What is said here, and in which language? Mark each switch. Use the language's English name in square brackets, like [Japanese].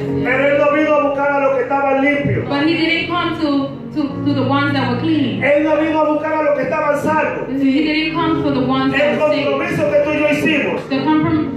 [Spanish] Pero él no vino a buscar a los que estaban limpios. [English] But he didn't come to the ones that were clean. [Spanish] Él no vino a buscar a los que estaban salvos. [English] He didn't come for the ones that were saved. [Spanish] El compromiso que tú y yo hicimos.